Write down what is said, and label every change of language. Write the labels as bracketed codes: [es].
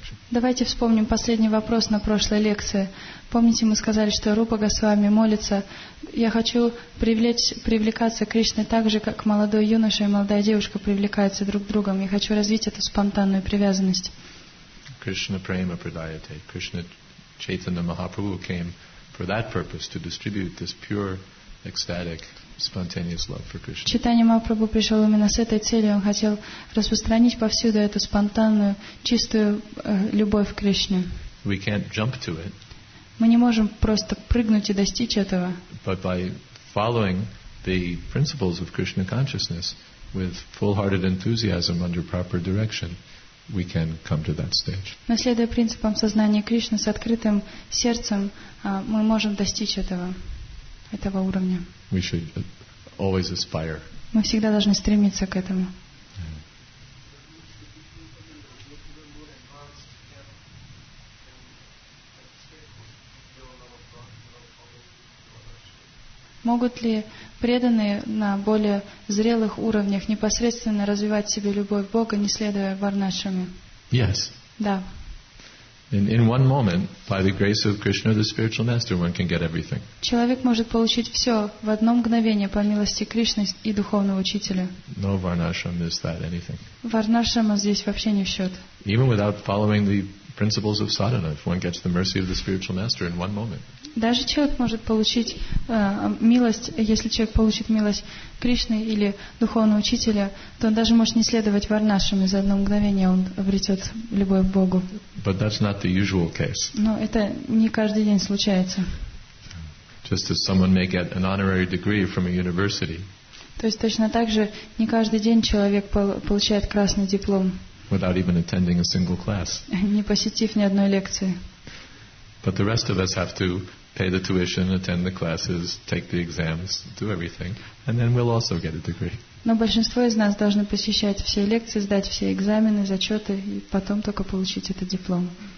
[ru] Давайте вспомним последний вопрос на прошлой лекции. Помните, мы сказали, что Рупа Госвами молится: я хочу привлекаться к Кришне так же, как молодой юноша и молодая девушка привлекаются друг к другу. Я хочу развить эту спонтанную привязанность. [sa] Krishna prema pradayate. [en] Krishna Chaitanya Mahaprabhu came for that purpose, to distribute this pure, ecstatic, spontaneous love for Krishna. [ru] Chaitanya Mahaprabhu пришел именно с этой целью. Он хотел распространить повсюду эту спонтанную, чистую любовь к Кришне. [en] We can't jump to it. [ru] Мы не можем просто прыгнуть и достичь этого. [en] But by following the principles of Krishna consciousness with full-hearted enthusiasm under proper direction, we can come to that stage. [ru] Но следуя принципам сознания Кришны с открытым сердцем, мы можем достичь этого уровня. [en] We should always aspire. [ru] Мы всегда должны стремиться к этому. Могут ли преданные на более зрелых уровнях непосредственно развивать в себе любовь Бога, не следуя варнашраме? [en] Yes. [ru] Да. [en] In one moment, by the grace of Krishna, the spiritual master, one can get everything. [ru] Человек может получить все в одно мгновение по милости Кришны и духовного учителя. [en] No varnashram is that anything. [ru] Варнашрама здесь вообще не в счет. [en] Even without following the principles of sadhana, if one gets the mercy of the spiritual master in one moment. [ru] Даже человек может получить милость, если человек получит милость Кришны или духовного учителя, то он даже может не следовать варнашраме, за одно мгновение он обретет любовь к Богу. [en] But that's not the usual case. [ru] Но это не каждый день случается. [en] Just as someone may get an honorary degree from a university. [ru] То есть точно так же не каждый день человек получает красный диплом. [en] Without even attending a single class. [ru] Не посетив ни одной лекции. [en] But the rest of us have to pay the tuition, attend the classes, take the exams, do everything, and then we'll also get a degree. [ru] Но большинство из нас должны посещать все лекции, сдать все экзамены, зачеты, и потом только получить этот диплом.